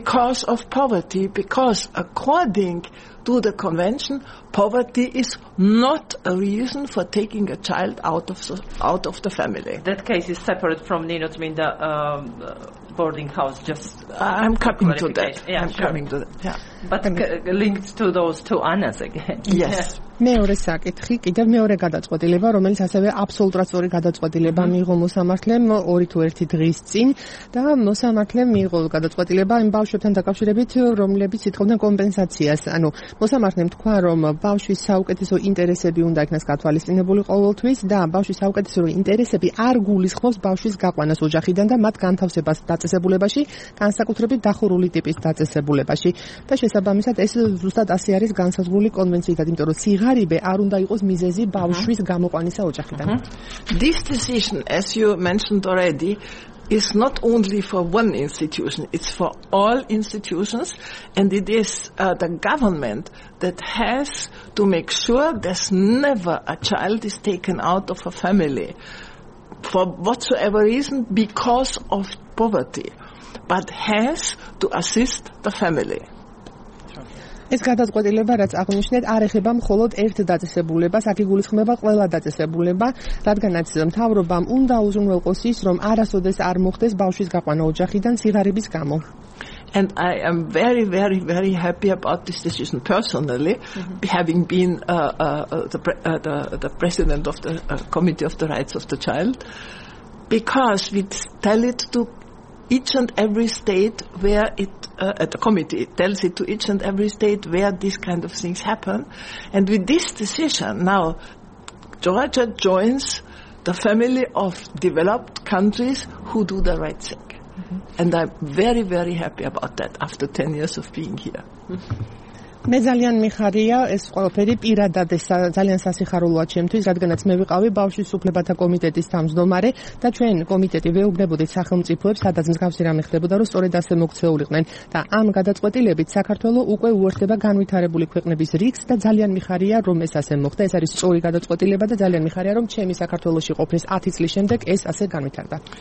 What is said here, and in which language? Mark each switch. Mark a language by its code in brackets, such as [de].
[en] because of poverty because according to the convention poverty is not a reason for taking a child out of the family that case is separate from Ninot Minda boarding house just I'm coming to that yeah, I'm sure. coming to that yeah but linked to those two Annas again yes [ka] მეორე საკითხი, კიდევ მეორე გადაწყვეტილება, რომელიც ასევე აბსოლუტურად სწორი გადაწყვეტილება მიიღო მოსამართლემ 2-1 დღის წინ და მოსამართლემ მიიღო გადაწყვეტილება იმ ბავშვებთან დაკავშირებით, რომლებიც ითხოვდნენ კომპენსაციას. ანუ მოსამართლემ თქვა, რომ ბავშვის საუკეთესო ინტერესები უნდა იქნას გათვალისწინებული ყოველთვის და ბავშვის საუკეთესო ინტერესები არ გულისხმობს ბავშვის გაყვანას ოჯახიდან და მათ განთავსებას დაწესებულებაში, განსაკუთრებით დახურული ტიპის დაწესებულებაში და შესაბამისად ეს ზუსტად ასე არის განსაზღვრული კონვენციიდან, იმიტომ რომ ღარიბე არ უნდა იყოს მიზეზი ბავშვის გამოყვანისა ოჯახიდან. [en] This decision as you mentioned already is not only for one institution it's for all institutions and it is the government that has to make sure that never a child is taken out of a family for whatsoever reason because of poverty but has to assist the family. [ka] ეს გადაწყვეტილება რაც აღნიშნეთ არ ეხება მხოლოდ ერთ დაწესებულებას, აქ იგულისხმება ყველა დაწესებულება, რადგანაც მთავრობამ უნდა უზრუნველყოს ის, რომ არასოდეს არ მოხდეს ბავშვის გაყვანა ოჯახიდან სიღარიბის გამო. [en] And I am very very very happy about this decision personally mm-hmm. having been the president of the committee of the rights of the child because we tell it to each and every state where it at the committee it tells it to each and every state where these kind of things happen and with this decision now Georgia joins the family of developed countries who do the right thing mm-hmm. and I'm very very happy about that after 10 years of being here mm-hmm. [ka] მე ძალიან მიხარია ეს ყველაფერი პირადად ეს ძალიან სასიხარულოა ჩემთვის რადგანაც მე ვიყავი ბავშვის უფლებათა კომიტეტის თავმჯდომარე და ჩვენ კომიტეტი ვეუბნებოდით სახელმწიფოებს სადაც მსგავსი რამე ხდებოდა რომ სწორედ ასე მოქცეულიყვნენ და ამ გადაწყვეტილებით საქართველოს უკვე უერთდება განვითარებული ქვეყნების რიგს და ძალიან მიხარია რომ ეს ასე მოხდა ეს არის სწორი გადაწყვეტილება და ძალიან მიხარია რომ ჩემი საქართველოსი ყოფნის 10 წლის შემდეგ ეს ასე განვითარდა